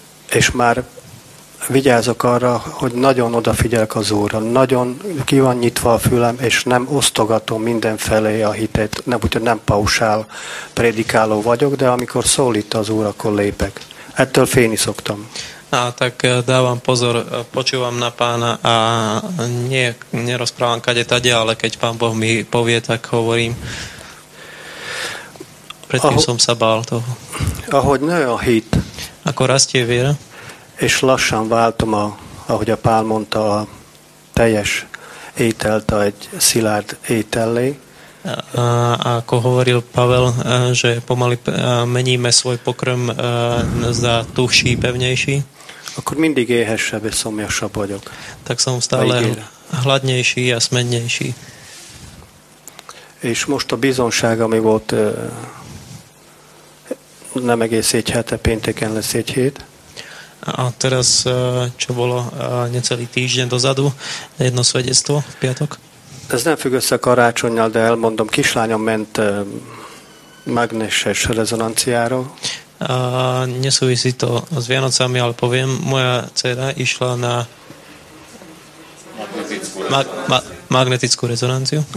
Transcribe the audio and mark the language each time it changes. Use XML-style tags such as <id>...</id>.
<hu>És már vigyázok arra, hogy nagyon odafigyelek az Úrra. Nagyon ki van nyitva a fülem, és nem osztogatom mindenfelé a hitet. Nem, úgyhogy nem pausál prédikáló vagyok, de amikor szólít az Úr, akkor lépek. Ettől félni szoktam.</hu> <sk>Tak dávam pozor, počúvam na pána a nerozprávam kade tade, ale keď pán Boh mi povie, tak hovorím. Predtým som sa bál toho.</sk> <hu>Ahogy nő a hit.</hu> <sk>Akkor rastie viera.</sk> <hu>És lassan váltom, ahogy a Pál mondta, a teljes ételt egy szilárd étellé.</hu> <sk>Ako hovoril Pavel, že pomaly meníme svoj pokrm za tuhší, pevnejší.</sk> <hu>Akkor mindig éhesebb és szomjasabb vagyok.</hu> <sk>Tak som stále hladnejší a smennejší.</sk> <hu>És most a bizonság, ami volt nem egész egy hete, pénteken lesz egy hét.</hu> <sk>A teraz, čo bolo necelý týždeň dozadu, jedno svedectvo v piatok.</sk> <hu>Ez nem függ össze karácsonnyal, de elmondom, kislányom ment mágneses rezonanciára.</hu> <sk>Nesúvisí to s Vianocami, ale poviem, moja dcera išla na magnetickú rezonanciu.</sk>